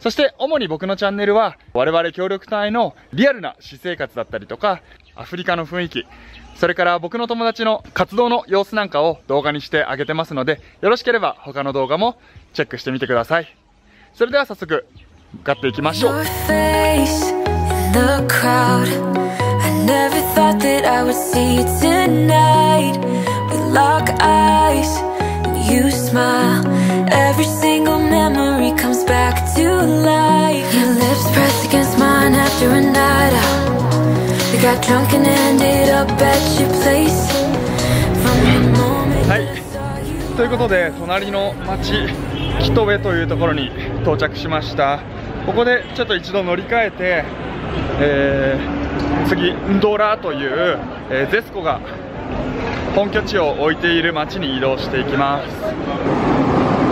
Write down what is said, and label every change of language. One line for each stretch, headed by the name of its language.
Japanese: そして主に僕のチャンネルは我々協力隊のリアルな私生活だったりとか、アフリカの雰囲気、それから僕の友達の活動の様子なんかを動画にしてあげてますので、よろしければ他の動画もチェックしてみてください。それでは早速向かっていきましょう。
English: Your face in the crowd. I never thought that I would see it tonight. We lock eyes and you smile. Every single memory comes back to life. Your lips press against mine after a night out
Japanese: はい、ということで隣の町キトウェというところに到着しました。ここでちょっと一度乗り換えて、次ンドラという、ゼスコが本拠地を置いている町に移動していきます。